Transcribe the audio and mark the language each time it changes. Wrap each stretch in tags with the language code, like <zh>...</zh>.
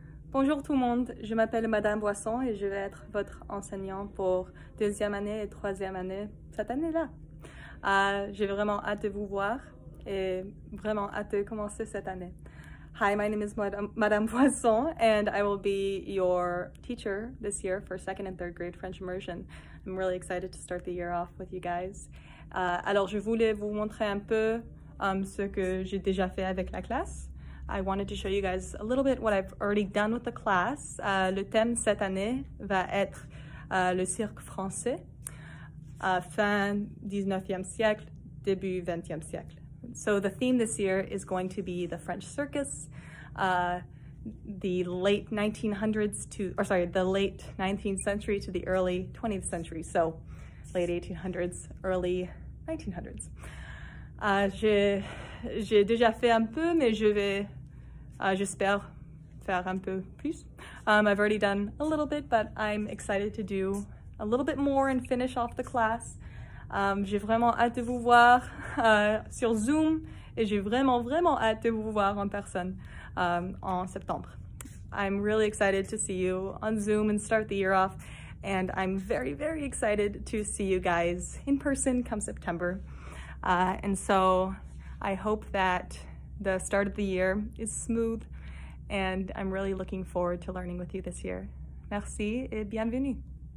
<fr>Bonjour tout le monde, je m'appelle Madame Boisson et je vais être votre enseignante pour deuxième année et troisième année cette année-là. J'ai vraiment hâte de vous voir et vraiment hâte de commencer cette année.</fr> <en>Hi, my name is Madame Boisson and I will be your teacher this year for second and third grade French immersion. I'm really excited to start the year off with you guys.</en> <fr>Alors, je voulais vous montrer un peu ce que j'ai déjà fait avec la classe.</fr> <en>I wanted to show you guys a little bit what I've already done with the class.</en> <fr>Le thème cette année va être le cirque français, fin 19e siècle, début 20e siècle.</fr> <en>So the theme this year is going to be the French circus, the late 19th century to the early 20th century. So late 1800s, early 1900s.</en> <fr>J'ai déjà fait un peu, mais je vais j'espère faire un peu plus.</fr> <en>I've already done a little bit, but I'm excited to do a little bit more and finish off the class.</en> <fr>J'ai vraiment hâte de vous voir sur Zoom et j'ai vraiment, vraiment hâte de vous voir en personne en septembre.</fr> <en>I'm really excited to see you on Zoom and start the year off. And I'm very, very excited to see you guys in person come September. And so I hope that the start of the year is smooth, and I'm really looking forward to learning with you this year.</en> <fr>Merci et bienvenue.</fr>